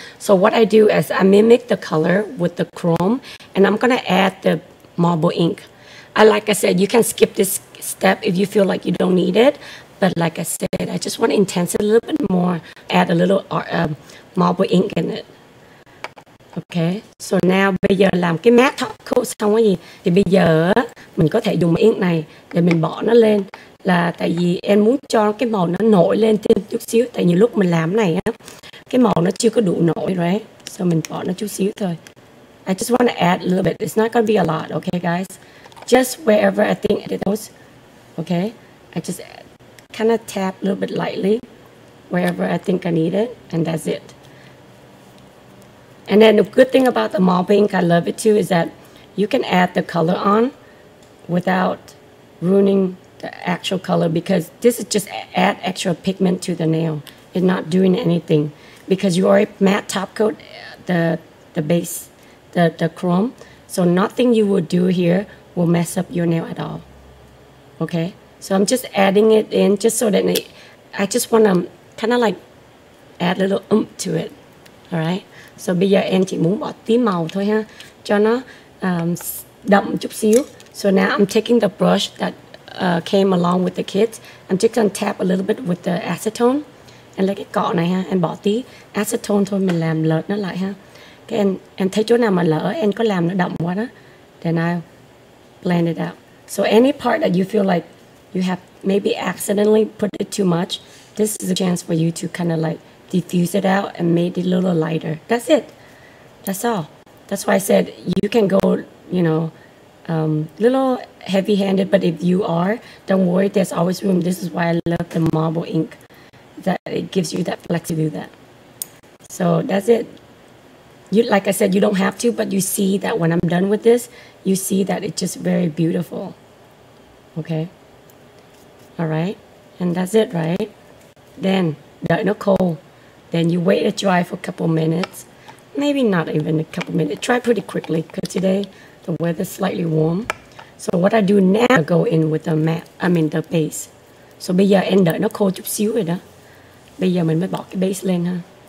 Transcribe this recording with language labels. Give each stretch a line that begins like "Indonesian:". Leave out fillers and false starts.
English: So what I do is I mimic the color with the chrome. And I'm going to add the marble ink. Like I said, you can skip this step if you feel like you don't need it, but like I said, I just want to intense it a little bit more, add a little marble ink in it. Okay, so now
Vietnamese: bây giờ làm cái matte top coat xong cái gì thì bây giờ mình có thể dùng cái ink này để mình bỏ nó lên, là tại vì em muốn cho cái màu nó nổi lên thêm chút xíu, tại vì lúc mình làm này á cái màu nó chưa có đủ nổi,
English: right?
Vietnamese: So mình bỏ nó chút xíu thôi.
English: I just want to add a little bit. It's not gonna be a lot, okay guys, just wherever I think it goes. Okay, I just kind of tap a little bit lightly wherever I think I need it, and that's it. And then the good thing about the marble ink, I love it too, is that you can add the color on without ruining the actual color, because this is just add extra pigment to the nail. It's not doing anything because you already matte top coat the base, the chrome. So nothing you will do here will mess up your nail at all. Okay, so I'm just adding it in just so that I just want to kind of like add a little oomph to it. All right, so
Vietnamese: bây giờ em chỉ muốn bỏ tí màu thôi ha, cho nó đậm chút xíu.
English: So now I'm taking the brush that came along with the kit. I'm just gonna tap a little bit with the acetone and
Vietnamese: lấy cái cọ này ha, em bỏ tí acetone thôi, mình làm lợt nó lại ha. Cái em thấy chỗ nào mà lỡ em có làm nó đậm quá đó,
English: then I'll blend it out. So any part that you feel like you have maybe accidentally put it too much, this is a chance for you to kind of like diffuse it out and make it a little lighter. That's it. That's all. That's why I said you can go, you know, little heavy-handed, but if you are, don't worry, there's always room. This is why I love the marble ink, that it gives you that flex to do that. So that's it. You, like I said, you don't have to, but you see that when I'm done with this, you see that it's just very beautiful. Okay? All right? And that's it, right? Then, Nicole, then you wait it dry for a couple minutes. Maybe not even a couple minutes. Try pretty quickly, because today the weather's slightly warm. So what I do now, I go in with the matte, I mean the base.
Vietnamese: So bây giờ em đợi nó khô chút xíu rồi đó. Bây giờ mình mới bỏ cái base lên ha.